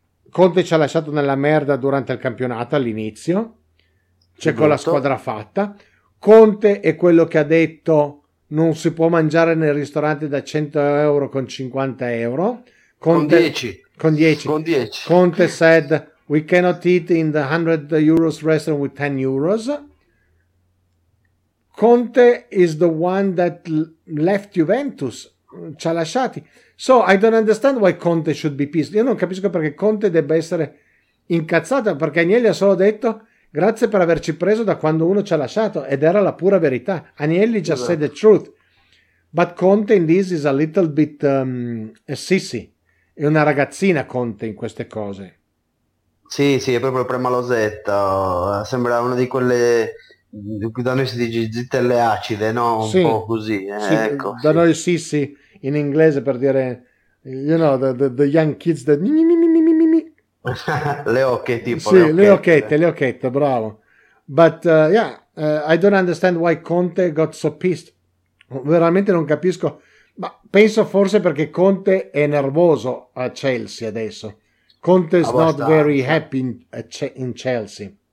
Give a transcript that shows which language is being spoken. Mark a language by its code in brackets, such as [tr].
[it] Conte ci ha lasciato nella merda durante il campionato all'inizio, cioè con la squadra fatta. Conte è quello che ha detto non si può mangiare nel ristorante da 100 euro con 50 euro. Con 10. [en] Conte said we cannot eat in the 100 euros restaurant with 10 euros. Conte is the one that left Juventus, [it] ci ha lasciati. [en] So I don't understand why Conte should be pissed. [it] Io non capisco perché Conte debba essere incazzato, perché Agnelli ha solo detto grazie per averci preso da quando uno ci ha lasciato, ed era la pura verità. [en] Agnelli just said the truth. But Conte in this is a little bit a sissy. [it] È una ragazzina Conte in queste cose. Sì, sì, è proprio premalosetta. Sembra una di quelle da noi si dice zitelle acide, no? Un po' così. Sì, ecco, da noi sì, sì, in inglese per dire, [en] you know, the young kids that [it] mi. Le occhette, tipo. Sì, le occhette, bravo. [en] But I don't understand why Conte got so pissed. [it] Veramente non capisco. Ma penso forse perché Conte è nervoso a Chelsea adesso. [en] Conte is not very happy in Chelsea.